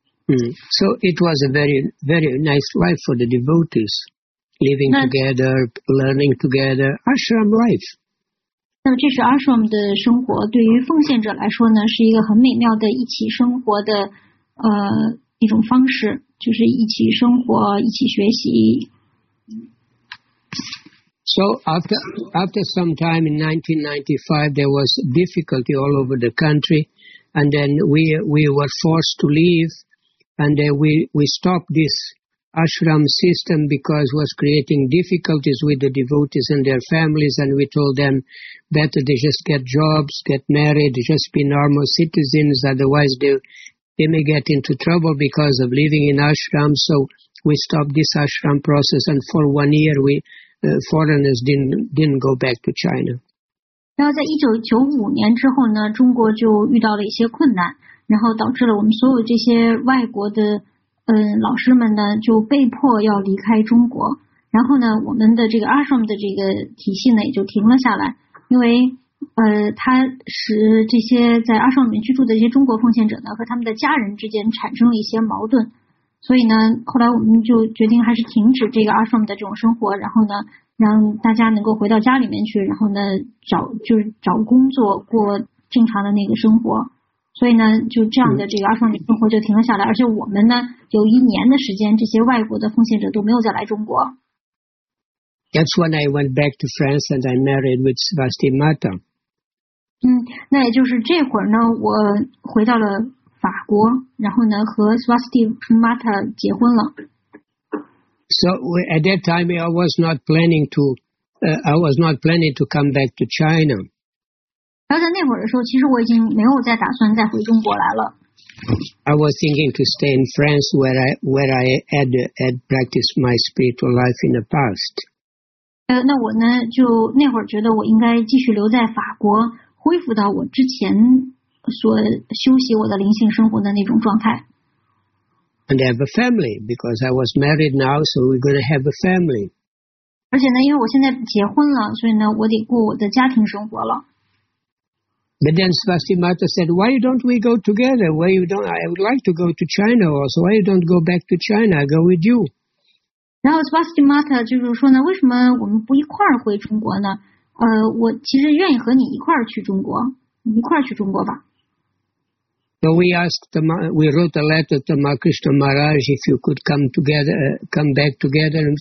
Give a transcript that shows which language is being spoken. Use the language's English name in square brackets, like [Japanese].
[English] So it was a very, very nice life for the devotees, living together, learning together, ashram life. [Chinese] 那这是 ashram 的生活，对于奉献者来说呢，是一个很美妙的一起生活的一种方式，就是一起生活，一起学习。 [English] So after some time in 1995, there was difficulty all over the country, and then we were forced to leave. And then we stopped this ashram system because it was creating difficulties with the devotees and their families. And we told them better they just get jobs, get married, just be normal citizens. Otherwise, they may get into trouble because of living in ashram. So we stopped this ashram process. And for 1 year, foreigners didn't go back to China. [Chinese] 然后在1995年之后呢，中国就遇到了一些困难。然后导致了我们所有这些外国的老师们呢就被迫要离开中国，然后呢我们的这个 ashram 的这个体系呢也就停了下来，因为它使这些在 ashram 里面居住的一些中国奉献者呢和他们的家人之间产生了一些矛盾，所以呢后来我们就决定还是停止这个 ashram 的这种生活，然后呢让大家能够回到家里面去，然后呢找工作过正常的那个生活，所以呢就这样的这个阿双的生活就停了下来，而且我们呢有一年的时间这些外国的奉献者都没有再来中国。 [English] That's when I went back to France and I married with Sebastian Mata. [Chinese] 嗯，那也就是这会儿呢我回到了法国，然后呢和 Sebastian Mata 结婚了。 [English] So at that time I was not planning to come back to China. [Chinese] 然后在那会儿的时候，其实我已经没有再打算再回中国来了。 [English] I was thinking to stay in France where I had practiced my spiritual life in the past. [Chinese] 那我呢，就那会儿觉得我应该继续留在法国，恢复到我之前所修习我的灵性生活的那种状态。 [English] And have a family because I was married now, so we're going to have a family. [Chinese] 而且呢，因为我现在结婚了，所以呢，我得过我的家庭生活了。 [English] But then Swasti Mata said, why don't we go together? Why you don't? I would like to go to China also. Why you don't go back to China? I go with you. [Chinese] 然后 Swasti Mata 就是说呢，为什么我们不一块儿回中国呢？我其实愿意和你一块儿去中国，一块儿去中国吧。 [English] So we wrote a letter to Tamakrishna Maharaj if you could come back together.